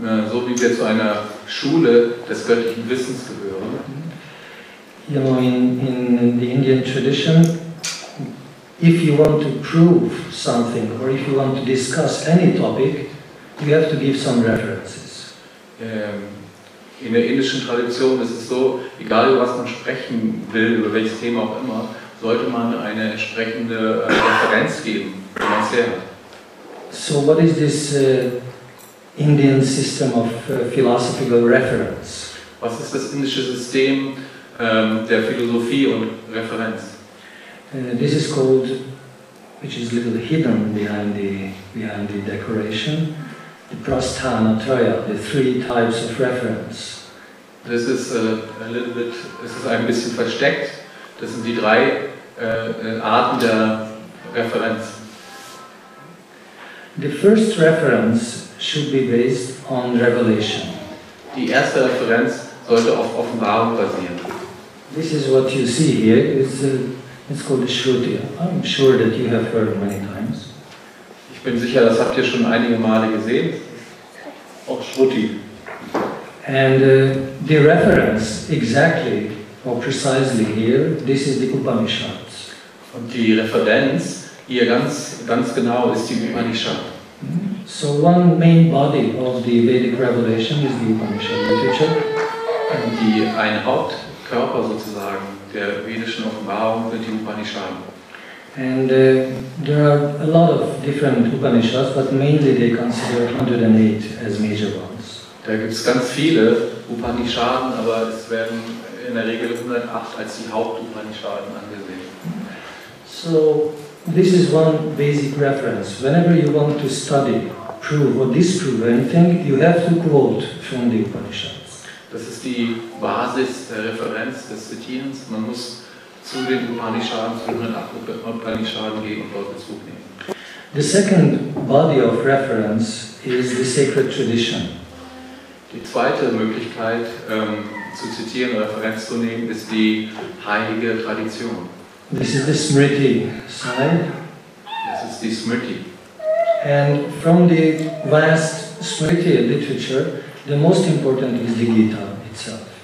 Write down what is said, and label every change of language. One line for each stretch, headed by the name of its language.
German: so wie wir zu einer Schule des göttlichen Wissens gehören,
English: you know, in the Indian tradition, if you want to prove something or if you want to discuss any topic, you have to give some references.
German: In der indischen Tradition ist es so, egal über was man sprechen will, über welches Thema auch immer, sollte man eine entsprechende Referenz geben, wenn man es her hat.
English: So what is this Indian system of philosophical reference?
German: Was ist das indische System der Philosophie und Referenz?
English: This is called, which is a little hidden behind the decoration, the Prasthana Traya, the three types of reference. This is a little bit,
German: es ist ein bisschen versteckt. Das sind die drei Arten der Referenz.
English: The first reference should be based on revelation.
German: Die erste Referenz sollte auf Offenbarung basieren.
English: This is what you see here. It's called the Shruti. I'm sure that you have heard many times.
German: Ich bin sicher, das habt ihr schon einige Male gesehen. Auch Shruti.
English: And the reference exactly or precisely here, this is the Upanishads.
German: Und die Referenz hier ganz, ganz genau ist die Upanishad.
English: So one main body of the Vedic revelation is the Upanishad literature.
German: Und die ein Hauptkörper sozusagen der vedischen Offenbarung sind die Upanishaden.
English: And there are a lot of different Upanishads, but mainly they consider 108 as major ones.
German: Da gibt's ganz viele Upanishaden, aber es werden in der Regel 108 als die Haupt-Upanishaden angesehen.
English: So this is one basic reference. Whenever you want to study, prove or disprove anything, you have to quote from the Upanishads.
German: Das ist die Basis der Referenz des Zitierens. Man muss zu den Upanishaden, zu den Upanishaden gehen und dort Bezug nehmen.
English: The second body of reference is the sacred tradition.
German: Die zweite Möglichkeit zu zitieren, Referenz zu nehmen, ist die heilige Tradition.
English: This is the Smriti side. This is the Smriti. And from the vast Smriti literature, the most important is the Gita itself.